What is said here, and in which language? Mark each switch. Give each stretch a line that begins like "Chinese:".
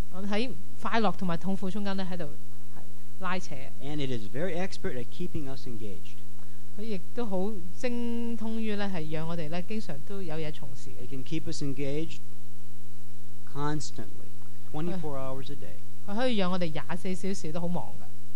Chinese: 在快乐和痛苦中间拉扯。
English: And it is very expert at keeping us engaged.
Chinese: 它亦都很精通于让我们经常都有事从事。
English: It can keep us engaged constantly, 24 hours a day.
Chinese: 它可以让我们24小时都很忙的。